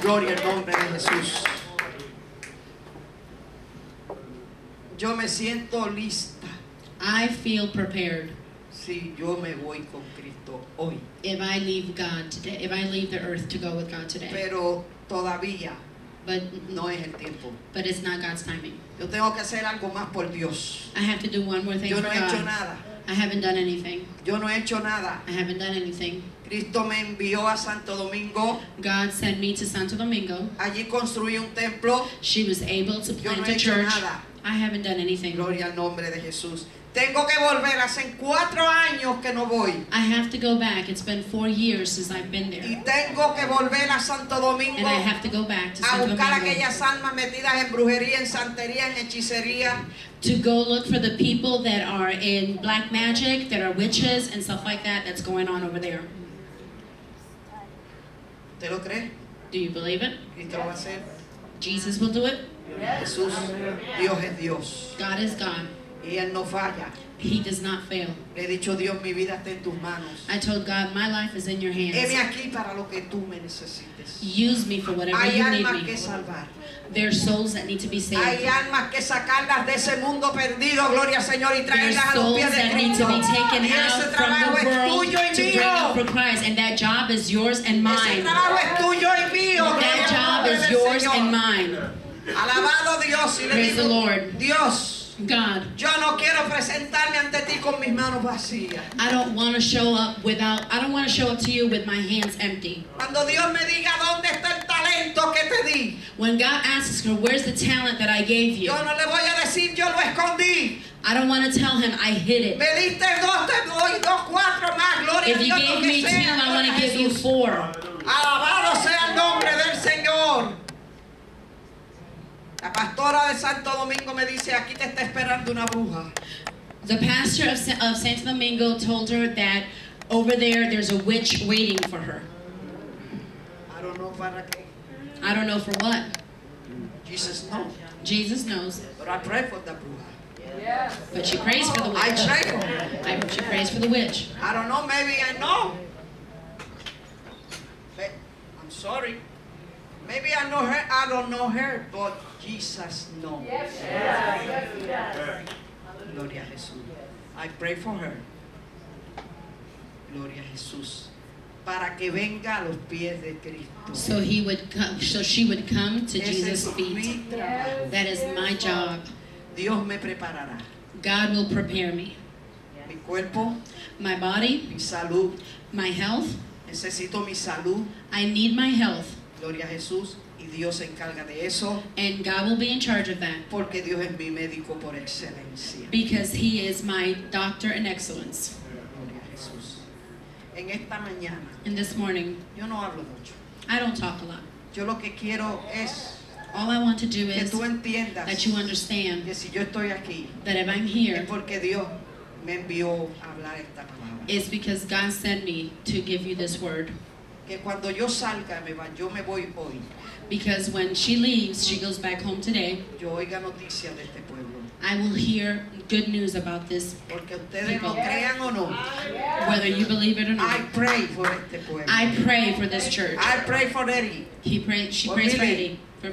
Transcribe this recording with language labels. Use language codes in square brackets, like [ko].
[es] Gloria al nombre de Jesús. Yo me siento lista. [en] I feel prepared. [es] Si yo me voy con Cristo hoy. [en] If I leave God today, if I leave the earth to go with God today. [es] Pero todavía, [en] but [es] no es el tiempo. [en] But it's not God's timing. [es] Yo tengo que hacer algo más por Dios. [en] I have to do one more thing [es] yo no [en] for [es] he [en] God. [es] Hecho nada. [en] I haven't done anything. [es] Yo no he hecho nada. [en] I haven't done anything. [es] Cristo me envió a Santo Domingo. [en] God sent me to Santo Domingo. [es] Allí construí un templo. [en] She was able to plant [es] yo no [en] a [es] he [en] church. [es] Hecho nada. [en] I haven't done anything. [es] Gloria al nombre de Jesús. Tengo que volver, hace 4 años que no voy. [en] I have to go back. It's been 4 years since I've been there. [es] Y tengo que volver a Santo Domingo. [en] And I have to go back to [es] a buscar [en] Santo Domingo. [es] Aquellas almas metidas en brujería, en santería, en hechicería. [en] To go look for the people that are in black magic, that are witches and stuff like that that's going on over there. [es] ¿Te lo crees? [en] Do you believe it? [es] Cristo lo va a hacer. [en] Jesus will do it. [es] Jesús, Dios es Dios. [en] God is God. [es] Y él no falla. [en] He does not fail. [es] Le he dicho, Dios, mi vida está en tus manos. [en] I told God, my life is in your hands. [es] Heme aquí para lo que tú me necesites. [en] Use me for whatever [es] hay [en] you need me. [es] Hay almas que salvar. [en] There are souls that need to be saved. [es] Hay almas que sacarlas de ese mundo perdido, gloria al Señor, y traerlas a los pies de Cristo. [en] There are souls that need to be taken out from the world to bring for Christ, and that job is yours and mine. [es] Ese trabajo es tuyo y mío. [en] That job is yours and mine. [es] Alabado Dios. [en] Praise the Lord. [es] Dios. [en] God. [es] Yo no quiero presentarme ante ti con mis manos vacías. [en] I don't want to show up without. I don't want to show up to you with my hands empty. [es] Cuando Dios me diga dónde está el talento que te di. [en] When God asks her, where's the talent that I gave you? [es] Yo no le voy a decir yo lo escondí. [en] I don't want to tell him I hid it. [es] Me diste dos, te doy dos, cuatro más. Gloria a Dios. [en] If you gave me two, I want to give you four. [es] Alabado sea el nombre del Señor. La pastora de Santo Domingo me dice, aquí te está esperando una bruja. [en] The pastor of Santo Domingo told her that over there there's a witch waiting for her. I don't know [es] para qué. [en] I don't know for what. Jesus knows. Jesus knows. But I pray for the bruja. Yes. But she prays for the witch. I pray for her. She prays for the witch. I don't know, maybe I know. I'm sorry. Maybe I know her, I don't know her, but Jesus knows. [es] Gloria a Jesús. [en] I pray for her. [es] Gloria a Jesús. Para que venga a los pies de Cristo. [en] So he would come, so she would come to Jesus' feet. That is my job. [es] Dios me preparará. [en] God will prepare me. [es] Mi cuerpo. [en] My body. [es] Mi salud. [en] My health. [es] Necesito mi salud. [en] I need my health. [es] Gloria a Jesús, y Dios se encarga de eso. [en] And God will be in charge of that. [es] Porque Dios es mi médico por excelencia. [en] Because he is my doctor in excellence. [es] Gloria a Jesús. En esta mañana. [en] In this morning. [es] Yo no hablo mucho. [en] I don't talk a lot. [es] Yo lo que quiero es [en] all I want to do [es] que [en] is [es] tú entiendas [en] that you understand [es] que si yo estoy aquí, [en] that if I'm here, [es] es porque Dios me envió a hablar esta palabra. [en] It's because God sent me to give you this word. [es] Que cuando yo salga, yo me voy hoy. [en] Because when she leaves, she goes back home today. [es] Yo oiga noticia de este pueblo. [en] I will hear good news about this. [es] Porque ustedes lo crean o no. [en] Whether you believe it or not. I pray for [es] este pueblo. [en] I pray for this church. I pray for Eddie. He prays. She prays for Eddie. For me.